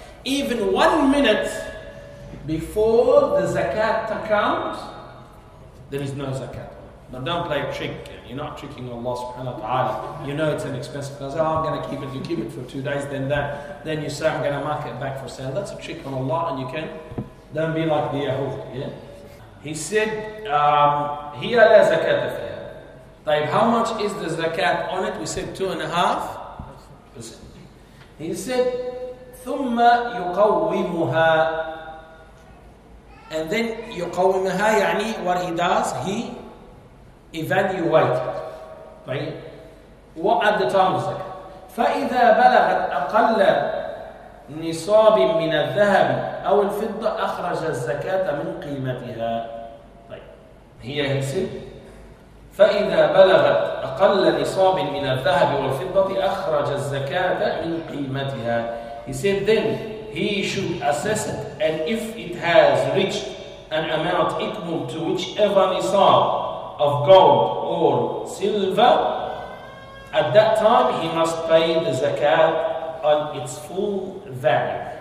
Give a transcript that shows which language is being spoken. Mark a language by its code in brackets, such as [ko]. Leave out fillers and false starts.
[en] Even 1 minute before the zakat comes, there is no zakat. Now don't play a trick, you're not tricking Allah subhanahu wa ta'ala. You know it's an expensive car, oh, I'm going to keep it, you keep it for 2 days, then you say, I'm going to mark it back for sale. That's a trick on Allah, and you can. Don't be like the Yahud, yeah? He said, [ar] هِيَ لَا زَكَاتَ فِيهَا. [en] طيب, how much is the zakat on it? We said 2.5%. He said, [ar] ثُمَّ يُقَوِّمُهَا. [en] And then, يُقَوِّمُهَا, يعني what he does, he evaluate it. Right? What at the time is it? [ar] فَإِذَا بَلَغَتْ أَقَلَّ نِصَابٍ مِنَ الذَّهَبِ أَوْ الْفِضَّ أَخْرَجَ الزَّكَاةَ مِنْ قِيمَتِهَا. [en] Here he said, [ar] فَإِذَا بَلَغَتْ أَقَلَّ نِصَابٍ مِنَ الذَّهَبِ وَالْفِضَّةِ أَخْرَجَ الزَّكَاةَ مِنْ قِيمَتِهَا. [en] He said, then he should assess it, and if it has reached an amount equal to whichever nisab of gold or silver, at that time he must pay the zakat on its full value.